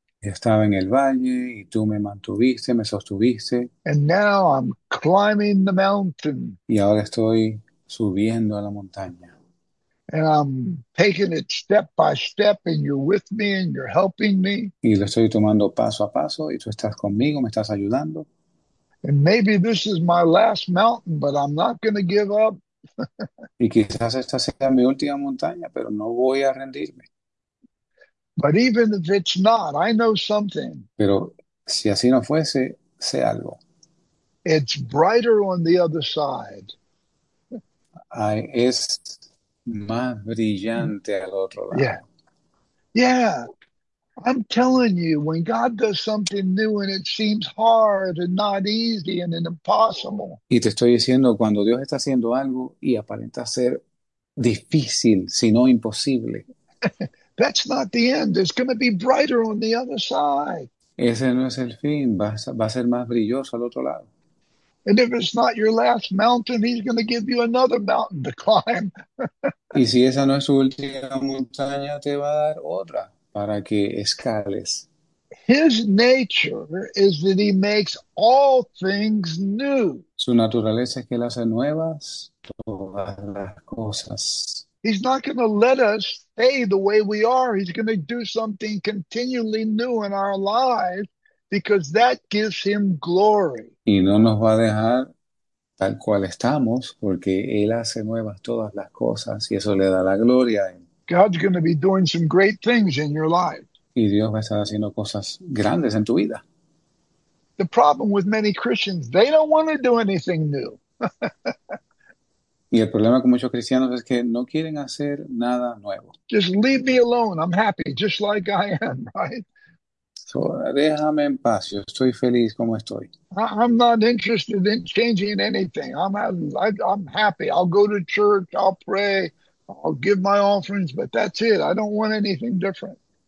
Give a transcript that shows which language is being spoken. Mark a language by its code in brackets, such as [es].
[es] Estaba en el valle y tú me mantuviste, me sostuviste. [en] And now I'm climbing the mountain. [es] Y ahora estoy subiendo a la montaña. [en] And I'm taking it step by step, and you're with me and you're helping me. [es] Y lo estoy tomando paso a paso y tú estás conmigo, me estás ayudando. [en] And maybe this is my last mountain, but I'm not going to give up. [es] Y quizás esta sea mi última montaña, pero no voy a rendirme. [en] But even if it's not, I know something. [es] Pero si así no fuese, sé algo. [en] It's brighter on the other side. [es] Es más brillante al otro lado. [en] I'm telling you, when God does something new and it seems hard and not easy and impossible, [es] Y te estoy diciendo, cuando Dios está haciendo algo y aparenta ser difícil, si no imposible. [en] that's not the end. It's going to be brighter on the other side. [es] Ese no es el fin, va a ser más brilloso al otro lado. [en] And if it's not your last mountain, he's going to give you another mountain to climb. [es] Y si esa no es su última montaña, te va a dar otra para que escales. [en] His nature is that he makes all things new. [es] Su naturaleza es que él hace nuevas todas las cosas. [en] He's not going to let us stay the way we are. He's going to do something continually new in our lives because that gives him glory. [es] Y no nos va a dejar tal cual estamos, porque Él hace nuevas todas las cosas y eso le da la gloria a Él. [en] God's going to be doing some great things in your life. [es] Y Dios va a estar haciendo cosas grandes en tu vida. [en] The problem with many Christians, they don't want to do anything new. [es] Y el problema con muchos cristianos es que no quieren hacer nada nuevo. [en] Just leave me alone. I'm happy just like I am, right? [es] So, déjame en paz, yo estoy feliz como estoy. [en] I'm not interested in changing anything. I'm happy. I'll go to church. I'll pray. I'll give my offerings, but that's it. I don't want anything different.